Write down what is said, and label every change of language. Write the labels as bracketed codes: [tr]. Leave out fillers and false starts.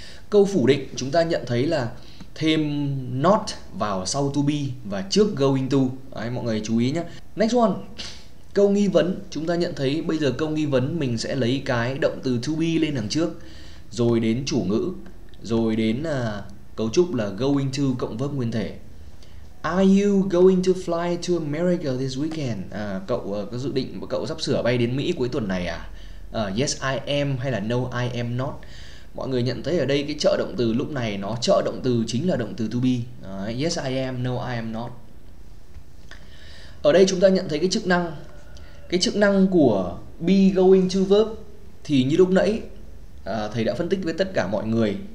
[vi] Câu phủ định chúng ta nhận thấy là thêm not vào sau to be và trước going to. Đấy, mọi người chú ý nhé. [en] Next one, [vi] câu nghi vấn chúng ta nhận thấy bây giờ câu nghi vấn mình sẽ lấy cái động từ to be lên đằng trước, rồi đến chủ ngữ, rồi đến cấu trúc là going to cộng verb nguyên thể. [en] Are you going to fly to America this weekend? [vi] Cậu có dự định, cậu sắp sửa bay đến Mỹ cuối tuần này à? [en] Yes, I am, [vi] hay là [en] no, I am not. [vi] Mọi người nhận thấy ở đây cái trợ động từ lúc này nó trợ động từ chính là động từ to be. [en] Yes, I am, no, I am not. [vi] Ở đây chúng ta nhận thấy cái chức năng của be going to verb thì như lúc nãy thầy đã phân tích với tất cả mọi người.